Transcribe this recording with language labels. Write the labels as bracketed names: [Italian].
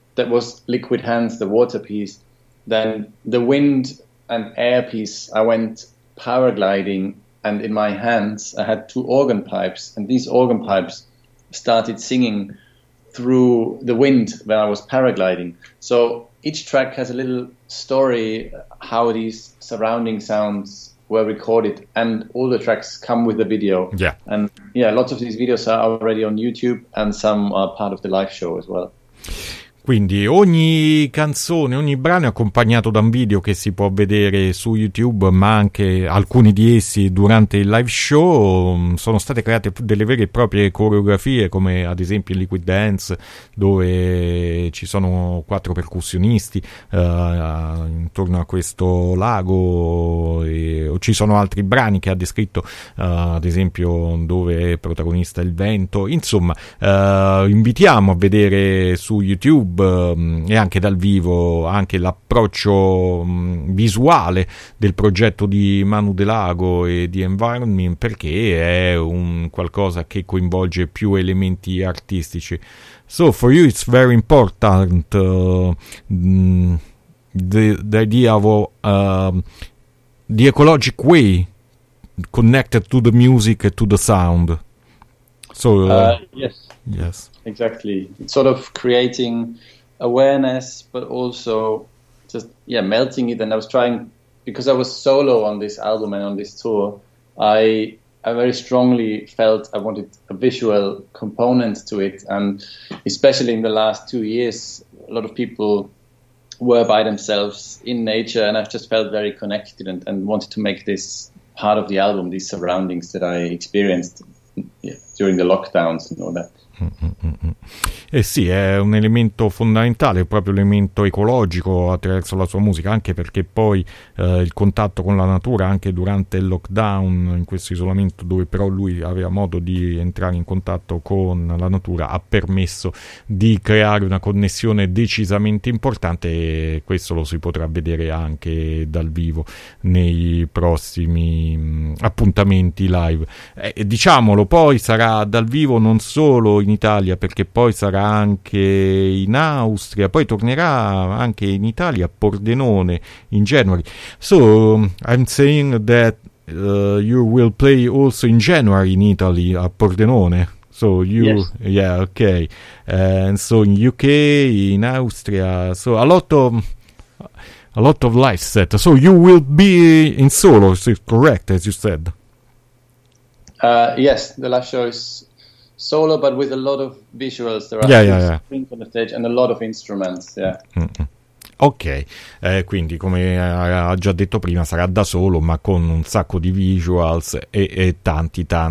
[English] That was Liquid Hands, the water piece. Then the wind and air piece, I went paragliding, and in my hands I had two organ pipes, and these organ pipes started singing through the wind when I was paragliding. So each track has a little story how these surrounding sounds were recorded, and all the tracks come with a video. Yeah. And yeah, lots of these videos are already on YouTube and some are part of the live show as well. [Italian] Quindi ogni canzone, ogni brano è accompagnato da un video che si può vedere su YouTube, ma anche alcuni di essi durante il live show. Sono state create delle vere e proprie coreografie, come ad esempio in Liquid Dance, dove ci sono quattro percussionisti intorno a questo lago, e ci sono altri brani che ha descritto, ad esempio dove è protagonista il vento. Insomma, invitiamo a vedere su YouTube e anche dal vivo anche l'approccio visuale del progetto di Manu De Lago e di Environment, perché è un qualcosa che coinvolge più elementi artistici. [English] So for you it's very important the idea of the ecologic way connected to the music, to the sound. So yes exactly, it's sort of creating awareness, but also just melting it. And I was trying, because I was solo on this album and on this tour, I very strongly felt I wanted a visual component to it, and especially in the last 2 years a lot of people were by themselves in nature, and I just felt very connected and wanted to make this part of the album, these surroundings that I experienced during the lockdowns and all that. [Italian] Eh sì, è un elemento fondamentale, proprio l'elemento ecologico attraverso la sua musica, anche perché poi il contatto con la natura, anche durante il lockdown, in questo isolamento dove però lui aveva modo di entrare in contatto con la natura, ha permesso di creare una connessione decisamente importante, e questo lo si potrà vedere anche dal vivo nei prossimi appuntamenti live. Diciamolo, poi sarà dal vivo non solo in Italia, perché poi sarà anche in Austria, poi tornerà anche in Italia, a Pordenone, [English] in January. So, I'm saying that you will play also in January in Italy, a Pordenone. So you, yes. Yeah, okay. And so in UK, in Austria, so a lot of live set. So you will be in solo, is it correct, as you said? Yes, the last show is solo, but with a lot of visuals. There are things on the stage and a lot of instruments, yeah. Mm-hmm. [Italian] Okay, quindi come ha già detto prima, sarà da solo, ma con un sacco di visuals e tanti...